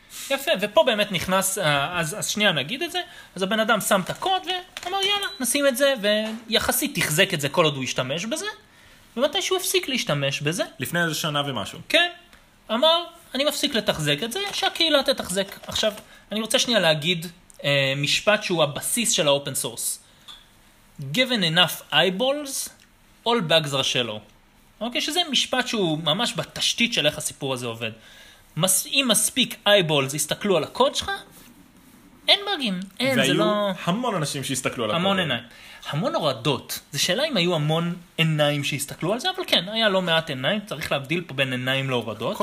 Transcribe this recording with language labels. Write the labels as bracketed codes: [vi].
[he] יפה, ופה באמת נכנס, אז שנייה נגיד את זה, אז הבן אדם שם את הקוד ואמר יאללה, נשים את זה, ויחסית תחזק את זה כל עוד הוא ישתמש בזה, ומתי שהוא הפסיק להשתמש בזה. לפני איזה שנה ומשהו. כן, אמר, אני מפסיק לתחזק את זה, שהקהילה תתחזק. עכשיו, אני רוצה שנייה להגיד משפט שהוא הבסיס של האופן סורס. [en] Given enough eyeballs, all bugs are shallow. [he] אוקיי, שזה משפט שהוא ממש בתשתית של איך הסיפור הזה עובד. אם מספיק אייבולס הסתכלו על הקוד שלך, אין בגים, אין, זה לא... והיו המון אנשים שהסתכלו על המון הקוד. המון עיניים. המון הורדות. זה שאלה אם היו המון עיניים שהסתכלו על זה, אבל כן, היה לא מעט עיניים, צריך להבדיל פה בין עיניים להורדות.